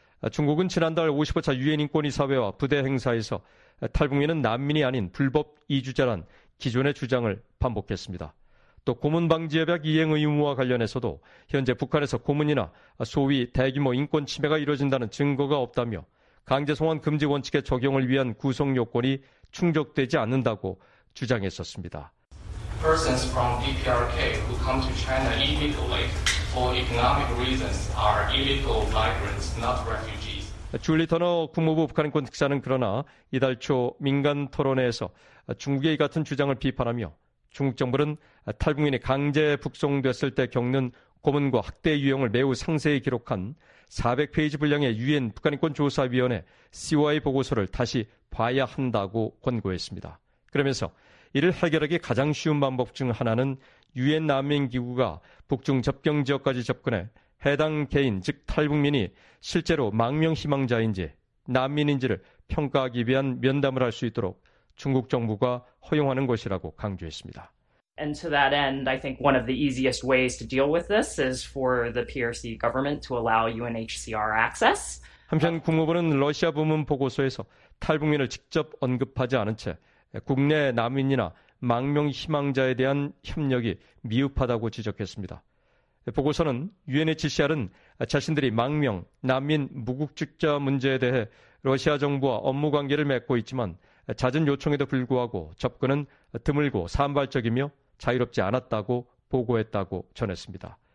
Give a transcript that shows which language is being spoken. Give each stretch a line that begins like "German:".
Korean: 중국은 지난달 55차 유엔인권이사회와 부대 행사에서 탈북민은 난민이 아닌 불법 이주자란 기존의 주장을 반복했습니다. 또 고문방지협약 이행 의무와 관련해서도 현재 북한에서 고문이나 소위 대규모 인권 침해가 이루어진다는 증거가 없다며 강제송환 금지 원칙의 적용을 위한 구속 요건이 충족되지 않는다고 주장했었습니다.
English: Persons from DPRK who come to China illegally for economic reasons are illegal migrants, not refugees.
Korean: 줄리 터너 국무부 북한인권 특사는 그러나 이달 초 민간 토론회에서 중국의 이 같은 주장을 비판하며 중국 정부는 탈북민이 강제 북송됐을 때 겪는 고문과 학대 유형을 매우 상세히 기록한 400페이지 분량의 유엔 북한인권조사위원회 COI 보고서를 다시 봐야 한다고 권고했습니다. 그러면서 이를 해결하기 가장 쉬운 방법 중 하나는 유엔 난민기구가 북중 접경지역까지 접근해 해당 개인, 즉 탈북민이 실제로 망명희망자인지 난민인지를 평가하기 위한 면담을 할 수 있도록 중국 정부가 허용하는 것이라고 강조했습니다.
English: And to that end, I think one of the easiest ways to deal with this is for the PRC government to allow UNHCR access.
Korean: 한편 국무부는 러시아 부문 보고서에서 탈북민을 직접 언급하지 않은 채 국내 난민이나 망명 희망자에 대한 협력이 미흡하다고 지적했습니다. 보고서는 UNHCR은 자신들이 망명, 난민, 무국적자 문제에 대해 러시아 정부와 업무 관계를 맺고 있지만 잦은 요청에도 불구하고 접근은 드물고 산발적이며 자유롭지 않았다고 보고했다고 전했습니다.